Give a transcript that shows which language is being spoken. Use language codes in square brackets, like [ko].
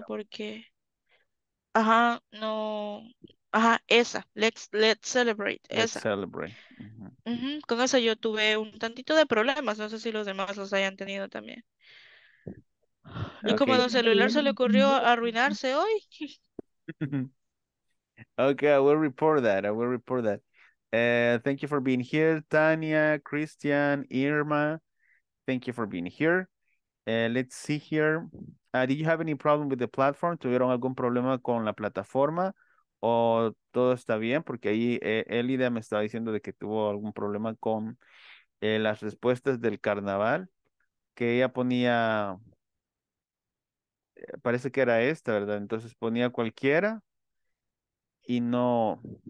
[es] eso, porque, ajá, no, ajá, esa, [en] let's celebrate, [es] esa. [en] Let's celebrate. [es] Con esa yo tuve un tantito de problemas, no sé si los demás los hayan tenido también. Y como a don celular se le ocurrió arruinarse hoy. [en] Okay, I will report that. I will report that. Thank you for being here, Tania, Christian, Irma. Thank you for being here. Let's see here. Did you have any problem with the platform? [es] ¿Tuvieron algún problema con la plataforma? ¿O todo está bien? Porque ahí Elida me estaba diciendo de que tuvo algún problema con las respuestas del carnaval, que ella ponía. Parece que era esta, ¿verdad? Entonces ponía cualquiera y no.